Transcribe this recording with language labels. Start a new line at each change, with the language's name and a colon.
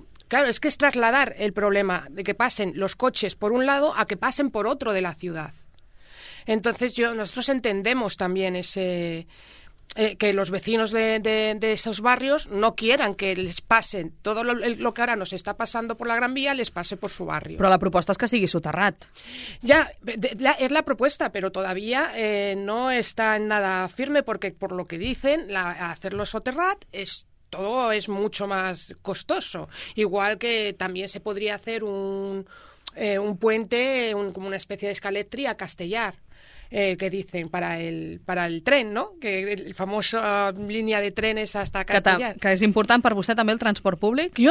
Spanish: Claro, es que es trasladar el problema de que pasen los coches por un lado a que pasen por otro de la ciudad. Entonces, nosotros entendemos también que los vecinos de esos barrios no quieran que les pasen todo lo que ahora nos está pasando por la Gran Vía, les pase por su barrio.
Catalan: Però la proposta és que sigui soterrat. Ja, és la proposta, però
Spanish: todavía no està en nada firme, perquè por lo que dicen, hacerlo soterrat es... Todo es mucho más costoso. Igual que también se podría hacer un puente, como una especie de escaletri a Castellar, que dicen, para el tren, ¿no? Que el famoso línea de trenes hasta Castellar. Que es importante para usted también el transporte público.